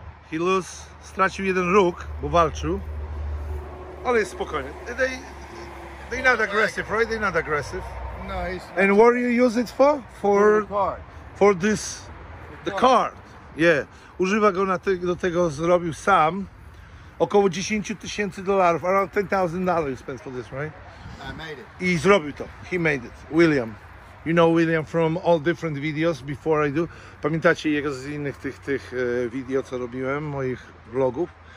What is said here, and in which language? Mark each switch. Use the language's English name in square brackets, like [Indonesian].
[English] He lose, [Polish] stracił jeden róg, bo walczył. Ale jest spokojnie. [English] They're not aggressive, right? They're not aggressive. No, he's not. And what do you use it for? For the card. For this, the card. Yeah. [Polish] Używa go na do tego, zrobił sam. Około 10 tysięcy dolarów, [English] around $10,000 you spent for this, right? I made it. [Polish] I zrobił to, [English] he made it, [Polish] William. [English] You know William from all different videos before I do. [Polish] Pamiętacie jego z innych tych video, co robiłem, moich vlogów.